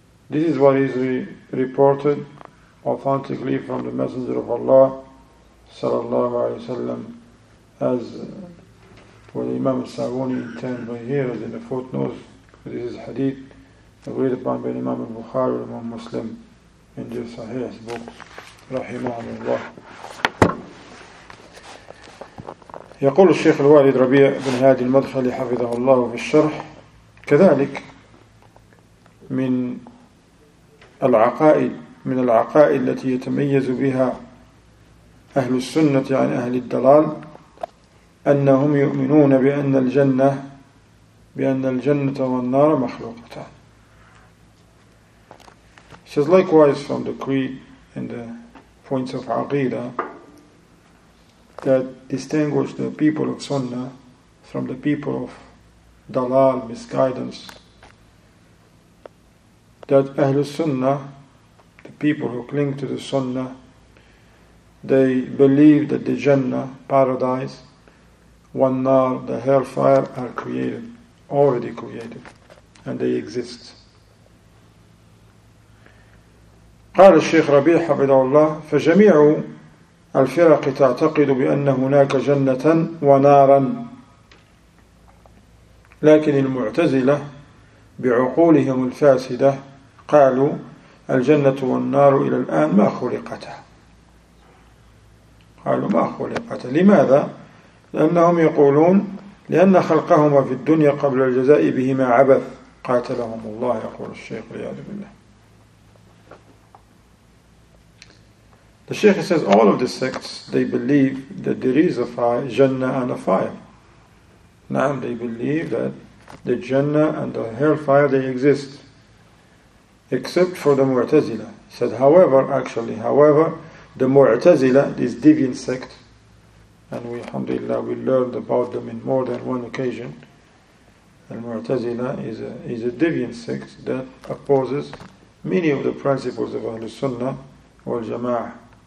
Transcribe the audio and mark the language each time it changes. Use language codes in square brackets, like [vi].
[en] This is what is reported authentically from the Messenger of Allah, sallallahu alaihi wasallam, as For the Imam al-Sa'uni in 10 right here, as in the footnote, this is hadith agreed upon by Imam al-Bukhari and Imam Muslim in the Sahih's book, Rahimahumullah. [ar] يقول الشيخ الوالد ربيع بن هادي المدخلي حفظه الله في الشرح كذلك من العقائد من العقائد التي يتميز بها أهل السنة عن أهل الضلال أنهم يؤمنون بأن الجنة والنار مخلوقتان. [en] Says likewise from the creed and the points of aqidah that distinguish the people of Sunnah from the people of Dalal, misguidance, that Ahlul Sunnah, the people who cling to the Sunnah, they believe that the Jannah, paradise, Wannar, the hellfire, are created, already created, and they exist. [ar] قال الشيخ ربيع حفظه الله فجميع الفرق تعتقد بأن هناك جنة ونارا لكن المعتزلة بعقولهم الفاسدة قالوا الجنة والنار إلى الآن ما خلقتا قالوا ما خلقتا لماذا؟ لأنهم يقولون لأن خلقهما في الدنيا قبل الجزاء بهما عبث قاتلهم الله يقول الشيخ والعياذ بالله. [en] The Shaykh says all of the sects, they believe that there is a fire, Jannah and a fire. Now they believe that the Jannah and the hellfire, they exist. Except for the Mu'tazila. He said, however, the Mu'tazila, this deviant sect, and we, alhamdulillah, we learned about them in more than one occasion, Al-Mu'tazila is a deviant sect that opposes many of the principles of Ahl-Sunnah wal-Jama'ah.